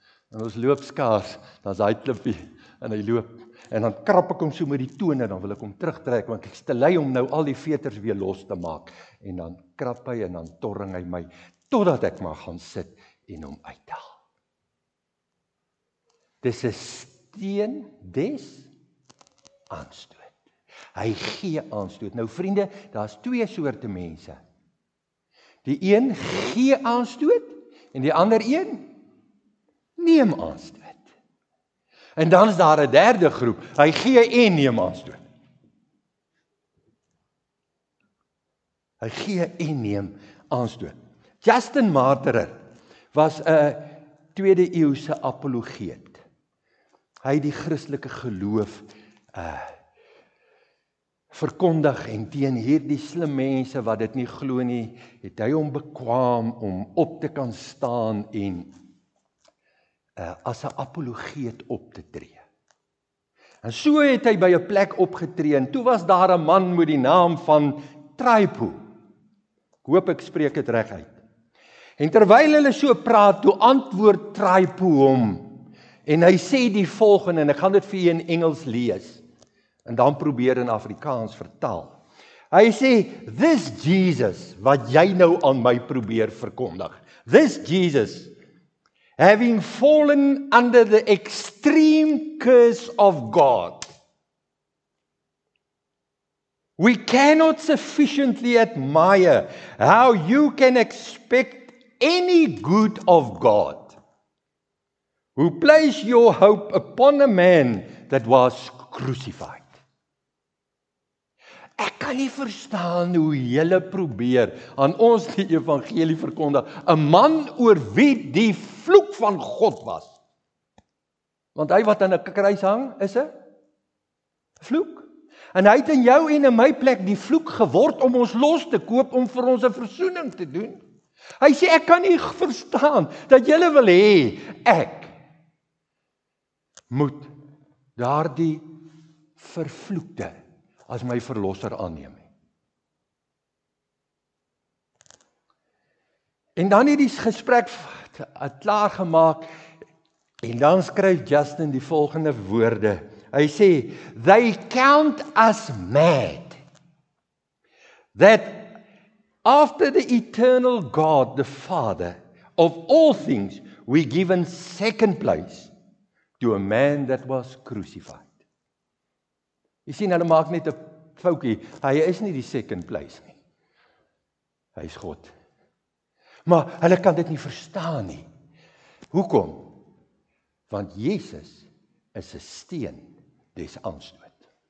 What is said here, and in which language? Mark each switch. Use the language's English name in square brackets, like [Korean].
[Afrikaans] en ons loop skaars, dan is hy klippie, en hy loop, en dan krap ek hom so met die tone, dan wil ek hom terugtrek, want ek is te lei om nou al die veters weer los te maak, en dan krap hy, en dan torring hy my, totdat ek maar gaan sit, en hom uithaal. Dis 'n steen des aanstoot. Hy gee aanstoot. Nou vriende, daar is twee soorte mense. Die een gee aanstoot en die ander een neem aanstoot. En dan is daar 'n derde groep. Hy gee en neem aanstoot. Hy gee en neem aanstoot. Justin Martyr was 'n tweede eeuwse apologeet. Hy het die Christelike geloof verkondig en teen hierdie slim mense wat dit nie glo nie, het hy hom bekwaam om op te kan staan en as 'n apologeet op te tree. En so het hy by 'n plek opgetree en toe was daar 'n man met die naam van Tripo. Ek hoop ek spreek dit reg uit. En terwyl hulle so praat, toe antwoord Tripo hom en hy sê die volgende, en ek gaan dit vir jy in Engels lees, en dan probeer in Afrikaans vertaal. Hy sê, [English] this Jesus, [Afrikaans] wat jy nou aan my probeer verkondig, [English] this Jesus, having fallen under the extreme curse of God, we cannot sufficiently admire how you can expect any good of God, who place your hope upon a man that was crucified. [Afrikaans] Ek kan nie verstaan hoe julle probeer aan ons die evangelie verkondig, 'n man oor wie die vloek van God was. Want hy wat aan 'n kruis hang, is 'n vloek. En hy het in jou en in my plek die vloek geword om ons los te koop, om vir ons 'n verzoening te doen. Hy sê, ek kan nie verstaan dat julle wil hê, ek moet daardie vervloekte as my verlosser aanneem. En dan het die gesprek klaargemaak, en dan skryf Justin die volgende woorde. Hy sê, [English] they count us mad that after the eternal God, the Father, of all things, we given second place to a man that was crucified. [Afrikaans] Jy sien, hulle maak net 'n foutjie. Hy is nie die second place nie. Hy is God. Maar hulle kan dit nie verstaan nie. Hoekom? Want Jesus is 'n steen des aanstoot.